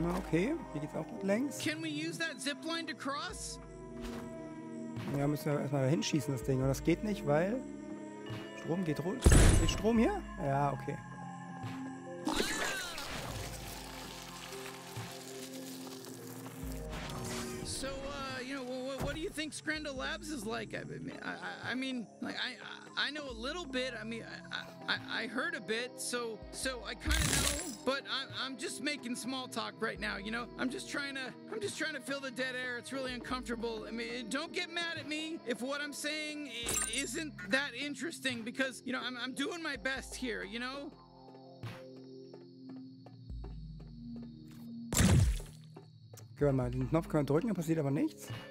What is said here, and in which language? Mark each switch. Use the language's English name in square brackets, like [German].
[English] Can we use that zip line to cross? [German] Ja, müssen wir erstmal hinschießen, das Ding. Und das geht nicht, weil Strom geht runter. Geht Strom hier? Ja, okay. [English] So, you know, what do you think Scrandle Labs is like? I mean, like, I know a little bit. I mean, I heard a bit, so I kind of know. But I'm just making small talk right now, you know? I'm just trying to fill the dead air. It's really uncomfortable. I mean, don't get mad at me if what I'm saying isn't that interesting, because, you know, I'm doing my best here, you know? [German] Können wir mal den Knopf drücken, dann passiert aber nichts.